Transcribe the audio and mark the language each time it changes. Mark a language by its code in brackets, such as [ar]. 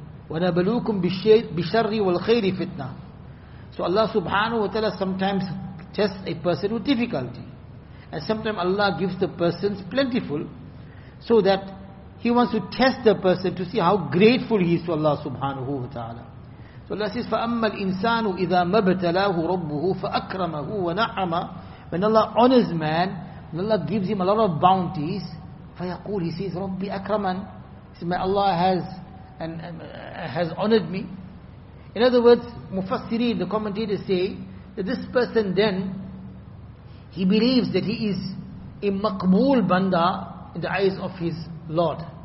[ar] وَنَبَلُوكُمْ بِشَرِّ وَالْخَيْرِ فِتْنَةً. [en] So Allah subhanahu wa ta'ala sometimes tests a person with difficulty. And sometimes Allah gives the persons plentiful, so that He wants to test the person to see how grateful he is to Allah subhanahu wa ta'ala. So Allah says, [ar] فَأَمَّا الْإِنسَانُ إِذَا مَبْتَلَاهُ رَبُّهُ فَأَكْرَمَهُ وَنَعَمَ. [en] When Allah honors man, when Allah gives him a lot of bounties, [ar] فَيَقُول, [en] he says, [ar] رَبِّ أَكْرَمَنْ. [en] He says, my Allah has honored me. In other words, Mufassirin, the commentators say, that this person then, he believes that he is a maqbool banda in the eyes of his Lord.